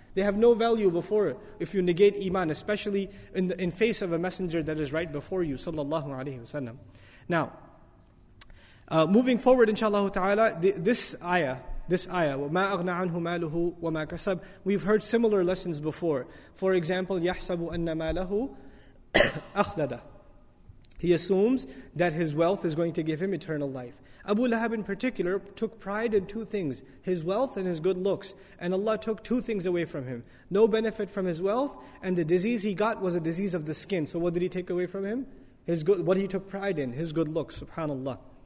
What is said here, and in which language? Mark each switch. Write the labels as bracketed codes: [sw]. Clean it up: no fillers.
[en] They have no value before if you negate iman, especially in face of a messenger that is right before you, sallallahu alaihi wasallam. Now, moving forward, inshallah ta'ala, this ayah, [ar] وَمَا أَغْنَى عَنْهُ مَالُهُ وَمَا كَسَبْ, [en] we've heard similar lessons before. For example, [ar] يَحْسَبُ أَنَّ مَالَهُ أَخْلَدَ. [en] He assumes that his wealth is going to give him eternal life. Abu Lahab in particular took pride in two things, his wealth and his good looks. And Allah took two things away from him. No benefit from his wealth, and the disease he got was a disease of the skin. So what did he take away from him? What he took pride in, his good looks, subhanAllah.